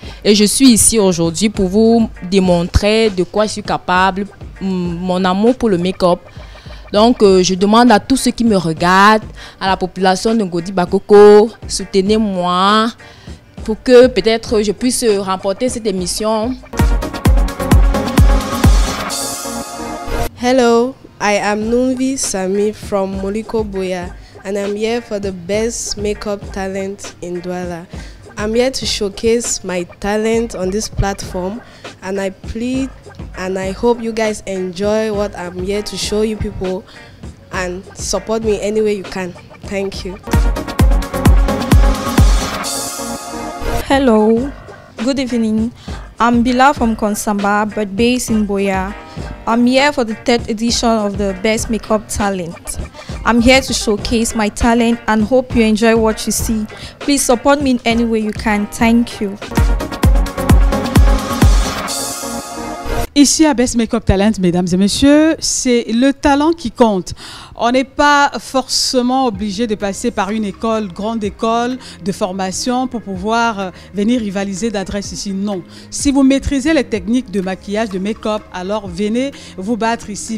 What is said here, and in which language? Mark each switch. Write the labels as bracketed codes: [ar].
[fr] Et je suis ici aujourd'hui pour vous démontrer de quoi je suis capable, mon amour pour le make-up. Donc, je demande à tous ceux qui me regardent, à la population de Ngodi Bakoko, soutenez-moi pour que peut-être je puisse remporter cette émission. [en] Hello, I am Nunvi Sami from Moliko Boya and I'm here for the best makeup talent in Douala. I'm here to showcase my talent on this platform and I plead and I hope you guys enjoy what I'm here to show you people and support me any way you can. Thank you. Hello, good evening. I'm Bila from Konsamba but based in Boya. I'm here for the 3rd edition of the Best Makeup Talent. I'm here to showcase my talent and hope you enjoy what you see. Please support me in any way you can. Thank you. [fr] Ici à Best Makeup Talent, mesdames et messieurs, c'est le talent qui compte. On n'est pas forcément obligé de passer par une école, grande école de formation pour pouvoir venir rivaliser d'adresse ici. Non. Si vous maîtrisez les techniques de maquillage, de make-up, alors venez vous battre ici.